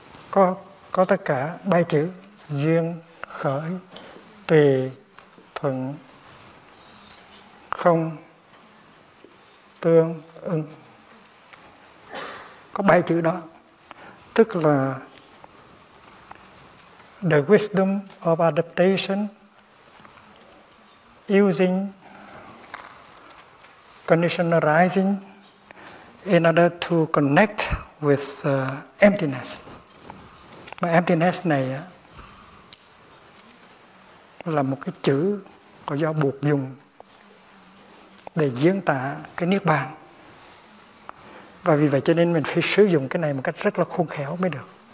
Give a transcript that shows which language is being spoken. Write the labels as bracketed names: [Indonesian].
[Vietnamese] có tất cả ba chữ duyên khởi tùy thuận không tương ứng, có ba chữ đó. Tức là [English] the wisdom of adaptation using conditioned arising in order to connect with emptiness. [Vietnamese] Mà emptiness này là một cái chữ có do buộc dùng để diễn tả cái niết bàn. Và vì vậy cho nên mình phải sử dụng cái này một cách rất là khôn khéo mới được.